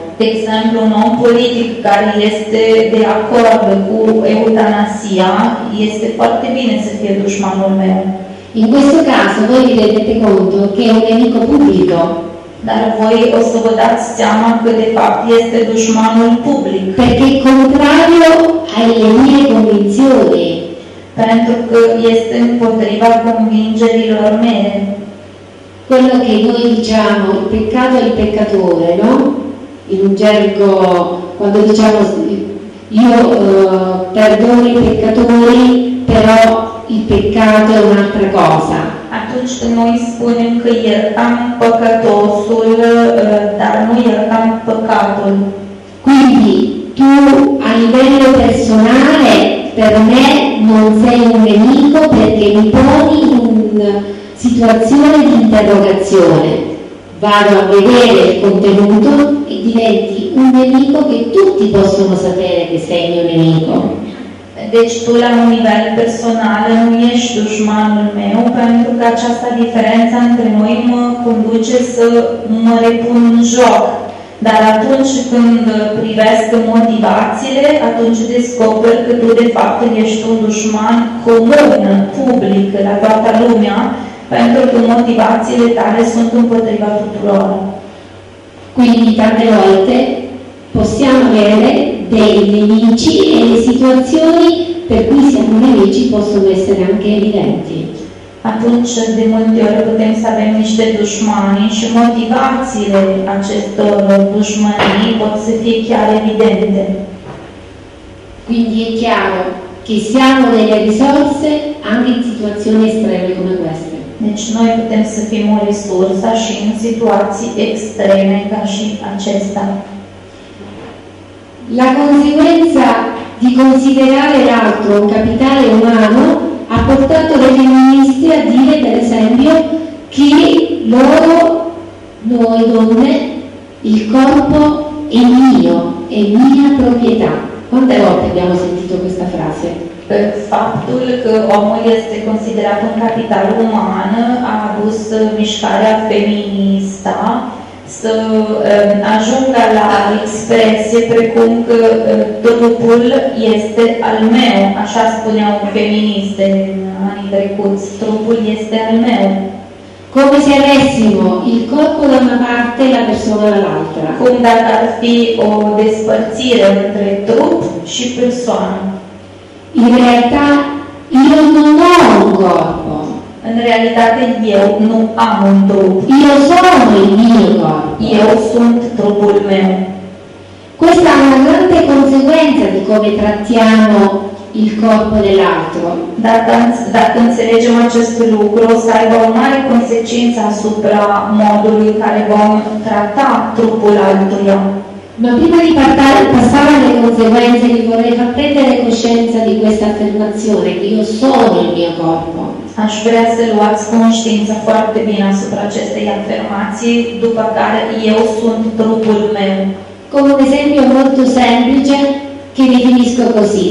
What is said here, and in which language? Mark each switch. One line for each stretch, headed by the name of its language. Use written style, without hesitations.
Romanian: De exemplu, un om politic care este de acord cu eutanasia este foarte bine să fie dușmanul meu.
Italian: In questo caso voi vi rendete conto che è un nemico pubblico.
Romanian: Dar voi o să vă dați seama că de fapt este dușmanul public.
Italian: Perché contrario alle mie convinzioni.
Romanian: Pentru că este împotriva convingerilor mele.
Italian: Quello che noi diciamo, il peccato è il peccatore, no? In un gergo, quando diciamo io perdono i peccatori, però il peccato è un'altra cosa.
Romanian: Atunci când noi spunem că iertam păcătosul, dar nu iertam păcatul.
Italian: Quindi, tu, a livello personale, per me non sei un nemico perché mi poni in una situazione di interrogazione. Vado a vedere il contenuto e diventi un nemico che tutti possono sapere che sei mio nemico.
Romanian: Deci tu la un nivel personal nu ești dușmanul meu pentru că această diferență între noi mă conduce să mă repun în joc. Dar atunci când privesc motivațiile, atunci descoper că tu de fapt ești un dușman comun, public, la toată lumea, pentru că motivațiile tale sunt împotriva tuturor.
Italian: Quindi tante volte possiamo avere dei nemici e le situazioni per cui siamo nemici possono essere anche evidenti.
Romanian: Atunci, de multe ori putem să avem niște dușmani și motivațiile acestor dușmanii pot să fie chiar evidente.
Italian: Quindi è chiaro che siamo delle risorse anche in situazioni estreme come queste.
Romanian: Deci noi putem să fim o resursă și în situații extreme ca și acesta.
Italian: La conseguenza di considerare l'altro un capitale umano ha portato le femministe a dire, per esempio, che loro, noi donne, il corpo è mia proprietà. Quante volte abbiamo sentito questa frase?
Romanian: Per faptul că omul este considerat un capital uman, a adus mișcarea feministă să ajungă la expresie precum că trupul este al meu, așa spuneau feministe în anii trecuți, trupul este al meu.
Italian: Come se avessimo il corpo da una parte e la persona dall'altra.
Romanian: Cum dacă ar fi o despărțire între trup și persoană.
Italian: In realtà io non ho un corpo. In realtà io non ho un corpo. Io sono il mio corpo. Io sono troppo il mio. Questa è una grande conseguenza di come trattiamo il corpo dell'altro.
Romanian: Dacă înțelegem acest lucru, o să aibă o mare consecință asupra modului în care vom trata trupul altuia.
Italian: Ma prima di passare alle conseguenze, vi vorrei far prendere coscienza di questa affermazione, che io sono il mio corpo.
Romanian: Aș vrea să luați conștiință foarte bine asupra acestei afirmații, după care eu sunt trupul meu.
Italian: Con un esempio molto semplice che definisco così.